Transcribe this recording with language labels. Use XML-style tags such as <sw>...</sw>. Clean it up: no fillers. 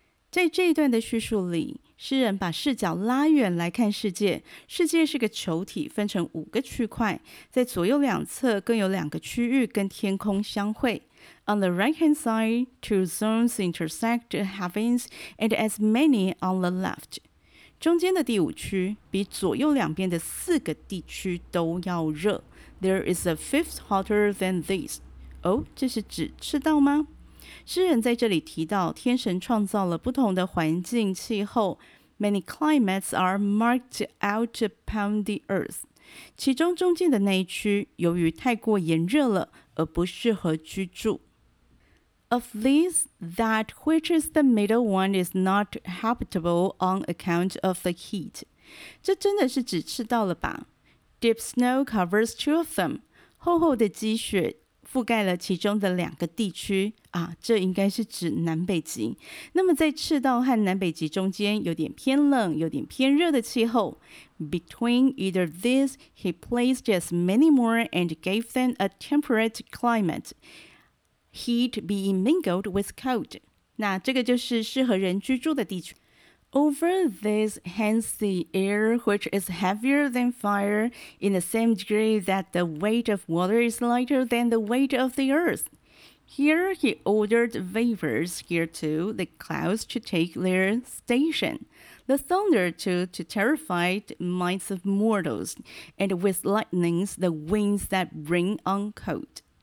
<zh>在这一段的叙述里，诗人把视角拉远来看世界。世界是个球体，分成五个区块，在左右两侧更有两个区域跟天空相会。</zh> <en>On the right-hand side, two zones intersect the heavens, and as many on the left.</en> <zh>中间的第五区比左右两边的四个地区都要热。</zh> <en>There is a fifth hotter than this.</en> <zh>哦，这是指赤道吗？诗人在这里提到，天神创造了不同的环境气候 ，</zh> <en>many climates are marked out upon the earth。</en> <zh>其中中间的那一区，由于太过炎热了，而不适合居住。</zh> <en>Of these, that which is the middle one is not habitable on account of the heat。</en> <zh>这真的是指赤道了吧 ？</zh> <en>Deep snow covers two of them。</en> <zh>厚厚的积雪。覆盖了其中的两个地区啊，这应该是指南北极。那么在赤道和南北极中间，有点偏冷、有点偏热的气候。</zh> <en>Between either these, he placed as many more and gave them a temperate climate, heat being mingled with cold.</en> <zh>那这个就是适合人居住的地区。</zh> <en>Over this, hence the air, which is heavier than fire, in the same degree that the weight of water is lighter than the weight of the earth. Here he ordered vapors, here too, the clouds to take their station, the thunder to terrify the minds of mortals, and with lightnings the winds that bring on cold.</en>